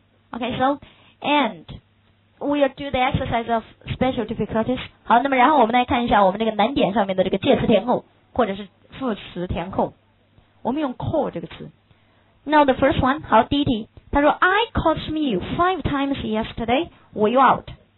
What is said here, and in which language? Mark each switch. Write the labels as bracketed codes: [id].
[en] OK, so and we will do the exercise of special difficulties。 [zh] 好，那么然后我们来看一下我们这个难点上面的这个介词填空或者是副词填空，我们用 call 这个词。 [en] Now the first one， [zh] 好，第一题他说 [en] I called me you 5 times yesterday, were you out?